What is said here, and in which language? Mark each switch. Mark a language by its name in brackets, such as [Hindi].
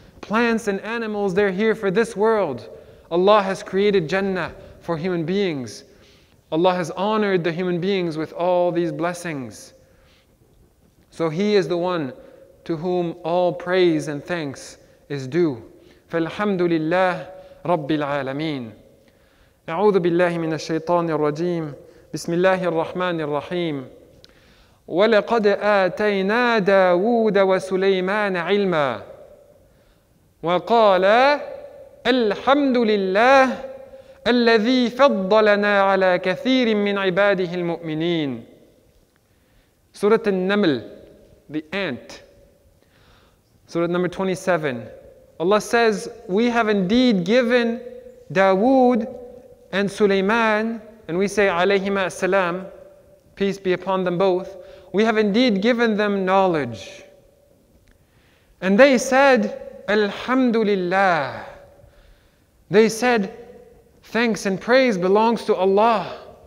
[English] Plants and animals, they're here for this world. Allah has created Jannah for human beings. Allah has honored the human beings with all these blessings. So He is the one to whom all praise and thanks is due. [Arabic] فَالْحَمْدُ رَبِّ الْعَالَمِينَ أَعُوذُ بِاللَّهِ مِنَ الشَّيْطَانِ الرَّجِيمِ بِسْمِ اللَّهِ الرَّحْمَنِ الرَّحِيمِ وَلَقَدْ آتَيْنَا دَاوُودَ وَسُلَيْمَانَ عِلْمًا وَقَالَ الْحَمْدُ لِلَّهِ الَّذِي فَضَّلَنَا عَلَى كَثِيرٍ مِّنْ عِبَادِهِ الْمُؤْمِنِينَ [English] Surat An Naml, the ant. Surat number 27. Allah says, we have indeed given Dawood and Suleiman, and we say alayhima as-salam, peace be upon them both, we have indeed given them knowledge. And they said, alhamdulillah. They said, thanks and praise belongs to Allah.